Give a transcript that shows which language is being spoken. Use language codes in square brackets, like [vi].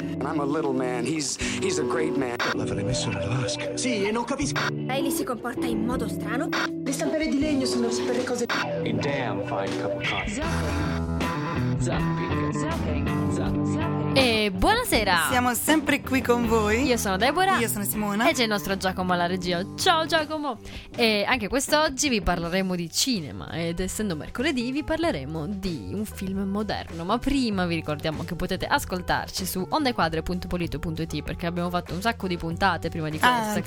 [en] I'm a little man, he's a great man. [it] L'avrei messo nella vasca. Sì, e non capisco. Lei si comporta in modo strano. Le stampere di legno sono sempre cose. [en] A damn fine cup of coffee. [it] E buonasera. Siamo sempre qui con voi. Io sono Deborah. Io sono Simona. E c'è il nostro Giacomo alla regia. Ciao Giacomo. E anche quest'oggi vi parleremo di cinema. Ed essendo mercoledì vi parleremo di un film moderno. Ma prima vi ricordiamo che potete ascoltarci su ondequadre.polito.it, perché abbiamo fatto un sacco di puntate prima di questa.